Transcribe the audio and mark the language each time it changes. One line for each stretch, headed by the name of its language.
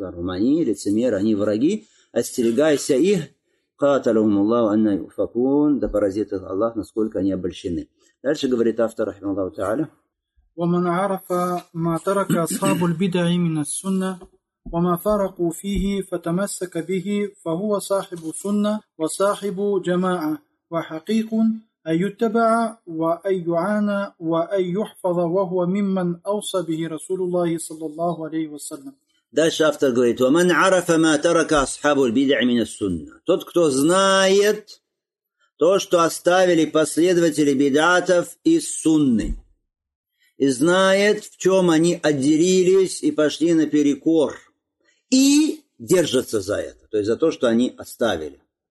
Russian: Они лицемеры, они враги. «Остерегайся их, каталахум Аллах, анна юфакун». Да поразит их Аллах, насколько они обольщены. Дальше говорит автор, рахима Аллаху Тааля.
Arabic: «ومن عرف ما ترك أصحاب البدع من السنة وما فارقوا فيه فتمسك به فهو صاحب سنة وصاحب جماعة وحقيق أن يتبع وأن يعانى وأن يحفظ وهو ممن أوصى به رسول الله صلى الله عليه وسلم».
Russian: Дальше автор говорит,
Arabic: ومن عرف ما ترك أصحاب البدع من السنة.
Russian: Тот, кто знает то, что оставили последователи бидатов из сунны, и знает, в чем они отделились и пошли наперекор, и держатся за это, то есть за то, что они оставили.